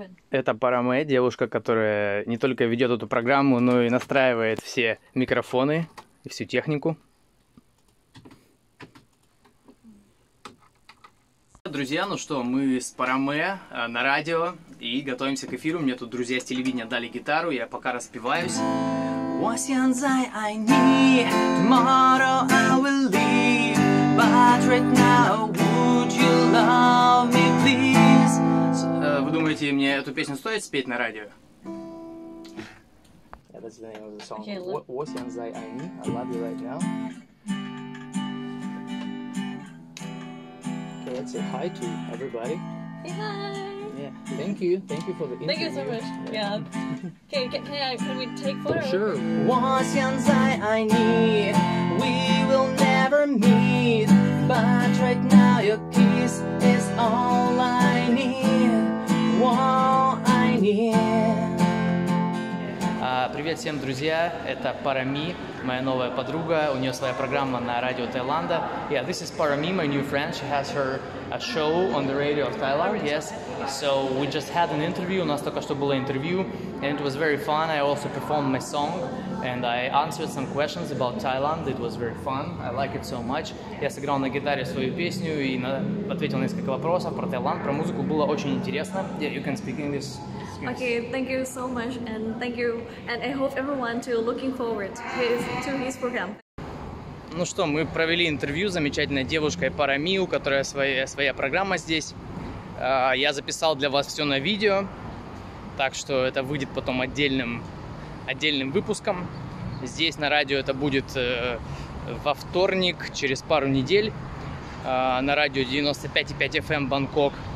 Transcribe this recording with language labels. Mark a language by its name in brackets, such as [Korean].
[Russian] Это Парамэ, девушка, которая не только ведет эту программу, но и настраивает все микрофоны и всю технику. Друзья, ну что, мы с Парамэ на радио и готовимся к эфиру. Мне тут друзья с телевидения дали гитару, я пока распеваюсь. [Chinese] 我现在 [English] I need, tomorrow I will leave, but right now would you love me please? [Russian] Вы думаете, мне эту песню стоит спеть на радио? [English] Yeah, that's the name of the song. Okay, look. [Chinese] 我现在 [English] I need, I love you right now. Okay, let's say hi to everybody. Hey, hi. Yeah. Thank you for the interview. Thank you so much. Yeah. Okay, can we take photo? Sure. [Chinese] 我现在 [English] I need, we will never meet, but right now your kiss is all I need. All I need. [Russian] Привет всем, друзья. Это Парами, моя новая подруга. У нее своя программа на радио Таиланда. [English] Yeah, this is Parami, my new friend. She has her a show on the radio of Thailand, yes. So we just had an interview, [Russian] у нас только что было интервью, [English] and it was very fun. I also performed my song, and I answered some questions about Thailand. It was very fun. I like it so much. [Russian] Я сыграл на гитаре свою песню и ответил на несколько вопросов про Таиланд, про музыку. Было очень интересно. [English] Yeah, you can speak English. yes. Okay, thank you so much, and thank you, and I hope everyone to looking forward to his program. [Russian] Ну что, мы провели интервью с замечательной девушкой Парами, у которой своя программа здесь. Я записал для вас все на видео, так что это выйдет потом отдельным выпуском. Здесь на радио это будет во вторник, через пару недель, на радио 95.5 FM Бангкок.